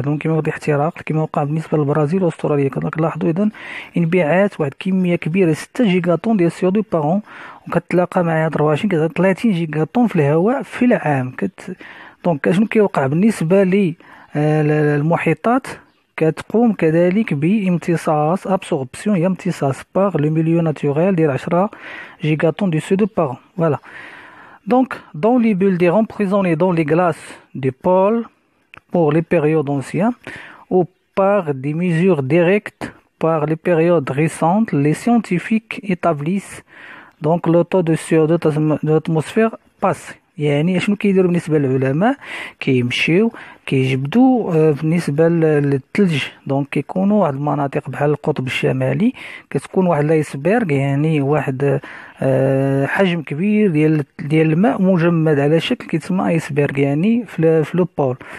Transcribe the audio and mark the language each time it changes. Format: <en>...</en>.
<ar>دونك كيما واحد الاحتراق كيما وقع بالنسبه للبرازيل واستراليا كنلاحظوا اذا انبعاثات واحد الكميه كبيره 6 جيجاطون ديال السي او 2 بارون، وكتلاقى مع 24 كذا 30 جيجاطون في الهواء في العام. دونك شنو كيوقع بالنسبه للمحيطات؟ كتقوم كذلك بامتصاص ابسوربسيون امتصاص باغ لو ميليو ناتوريل ديال 10 جيجاطون ديال السي او 2 بارون. فوالا.</ar> <fr>Donc, dans les bulles d'air emprisonnées dans les glaces du pôle pour les périodes anciennes ou par des mesures directes par les périodes récentes, les scientifiques établissent donc le taux de CO2 de l'atmosphère passe.</fr> <ar>يعني شنو كيديروا بالنسبه للعلماء؟ كيمشيو كيجبدوا بالنسبه للثلج. دونك كيكونوا واحد المناطق بحال القطب الشمالي كتكون واحد الايسبرغ، يعني واحد حجم كبير ديال الماء مجمد على شكل كيتسمى ايسبرغ، يعني في لو بول.</ar>